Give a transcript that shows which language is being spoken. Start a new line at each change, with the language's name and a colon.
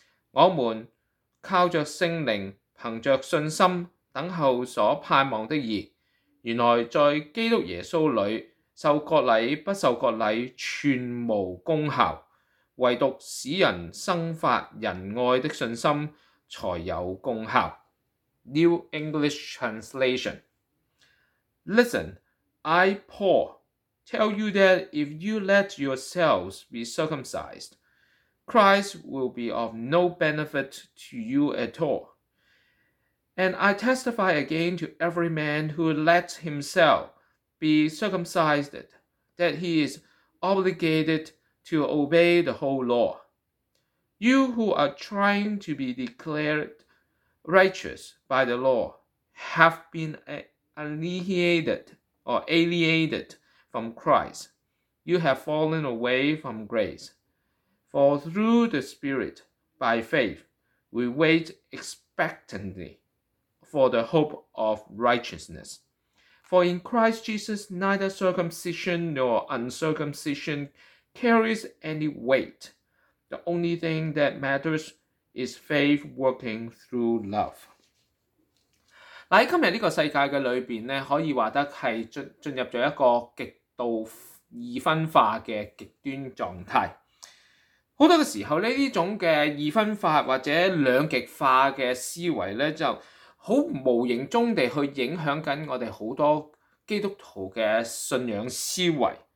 Chinese: 我们靠着圣灵，凭着信心等候所盼望的义。原来在基督耶稣里，受割礼不受割礼全无功效，唯独使人生发仁爱的信心才有功效。
English: New English Translation。 Listen, I, Paul, tell you that if you let yourselves be circumcised, Christ will be of no benefit to you at all. And I testify again to every man who lets himself be circumcised that he is obligated to obey the whole law. You who are trying to be declared righteous by the law have been alienated from Christ. You have fallen away from grace. For through the Spirit, by faith, we wait expectantly for the hope of righteousness. For in Christ Jesus, neither circumcision nor uncircumcision carries any weight. The only thing that matters is faith working through love.
Chinese: 在今天这个世界的里面呢，可以说得是进入了一个极度二分化的极端状态。很多时候呢，这种的二分化或者两极化的思维呢，就很无形中地去影响我们很多基督徒的信仰思维。